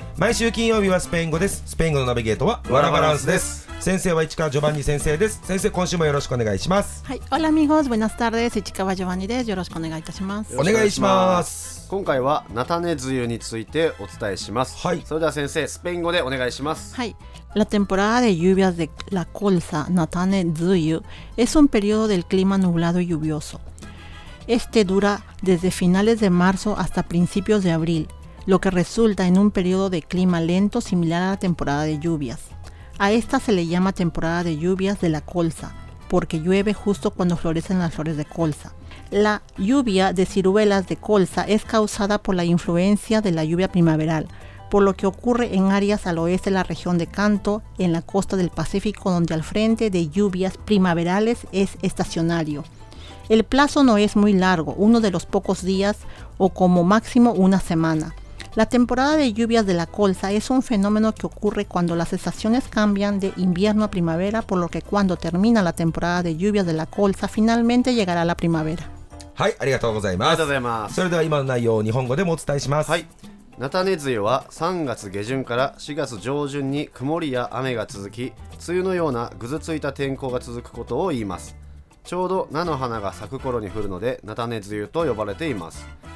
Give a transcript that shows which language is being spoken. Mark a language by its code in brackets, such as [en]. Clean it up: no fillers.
[ja] 毎週金曜日はスペイン語です。スペイン語のナビゲートはワラバランスです。先生は市川ジョバンニ先生です。先生、今週もよろしくお願いします。はい、オラミゴーズ、ブナスタールです。市川ジョバンニです。よろしくお願いいたします。お願いします。今回はナタネズユについてお伝えします。はい、それでは先生、スペイン語でお願いします。 [es] はい、La temporada de lluvias de la colza Natane Zuyu es un periodo del clima nublado y lluvioso. Este dura desde finales de marzo hasta principios de abril, lo que resulta en un periodo de clima lento similar a la temporada de lluvias. A esta se le llama temporada de lluvias de la colza, porque llueve justo cuando florecen las flores de colza. La lluvia de ciruelas de colza es causada por la influencia de la lluvia primaveral, por lo que ocurre en áreas al oeste de la región de Canto, en la costa del Pacífico, donde el frente de lluvias primaverales es estacionario. El plazo no es muy largo, uno de los pocos días o como máximo una semana. La temporada de lluvias de la colza es un fenómeno que ocurre cuando las estaciones cambian de invierno a primavera, por lo que cuando termina la temporada de lluvias de la colza, finalmente llegará la primavera. [ja] はい、ありがとうございます。ありがとうございます。それでは今の内容を日本語でもお伝えします。はい、ナタネズユは3月下旬から4月上旬に曇りや雨が続き、梅雨のようなぐずついた天候が続くことを言います。ちょうど菜の花が咲く頃に降るのでナタネズユと呼ばれています。